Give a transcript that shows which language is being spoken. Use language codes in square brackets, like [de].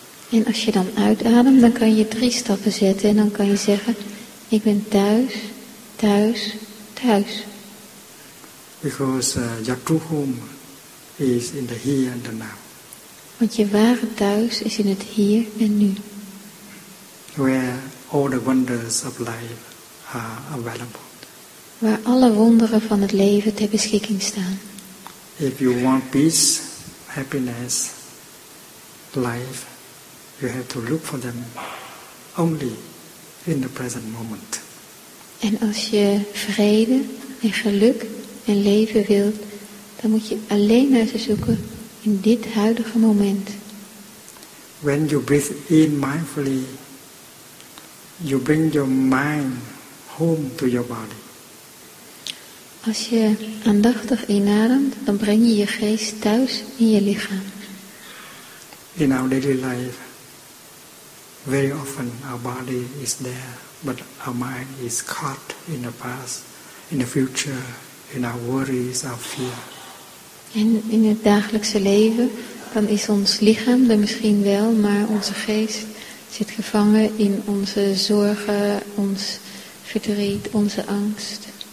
[nl] En als je dan uitademt, dan kan je drie stappen zetten en dan kan je zeggen, ik ben thuis, thuis, thuis. [en] Because your true home is in the here and the now. [nl] Want je ware thuis is in het hier en nu. [en] Where all the wonders of life are available. [nl] Waar alle wonderen van het leven ter beschikking staan. [en] If you want peace, happiness, life, you have to look for them only in the present moment. [nl] En als je vrede en geluk en leven wilt, dan moet je alleen naar ze zoeken in dit huidige moment. [en] When you breathe in mindfully, you bring your mind home to your body. [nl] Als je aandachtig inademt, dan breng je je geest thuis in je lichaam. [en] In our daily life, very often our body is there, but our mind is caught in the past, in the future, in our worries, our fear. [nl] En in het dagelijkse leven, dan is ons lichaam er misschien wel, maar onze geest zit gevangen in onze zorgen, ons verdriet, onze angst.